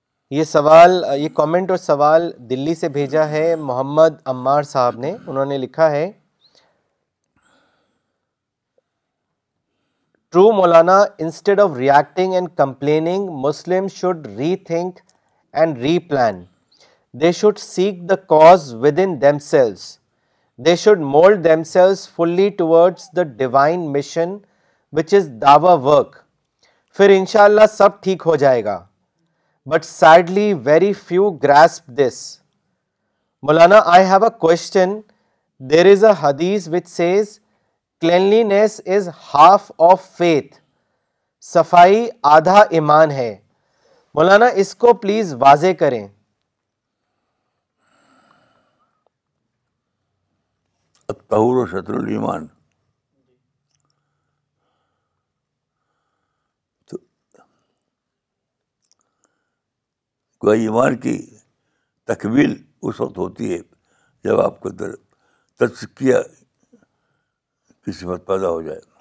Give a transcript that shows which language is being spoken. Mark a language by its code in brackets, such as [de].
[ur] یہ کامنٹ اور سوال دلی سے بھیجا ہے محمد عمار صاحب نے. انہوں نے لکھا ہے, [en] True Maulana, instead of reacting and complaining Muslim should rethink and replan. They should seek the cause within themselves. They should mould themselves fully towards the divine mission which is dawa work, [ur] پھر انشاءاللہ سب ٹھیک ہو جائے گا. [en] But sadly very few grasp this. Molana, I have a question. There is a hadith which says cleanliness is half of faith, [ur] صفائی آدھا ایمان ہے. Molana, اس کو please واضح کریں. [ar] الطہور شطر الایمان, [ur] ایمان کی تکمیل اس وقت ہوتی ہے جب آپ کے اندر تزکیہ کی صفت پیدا ہو جائے.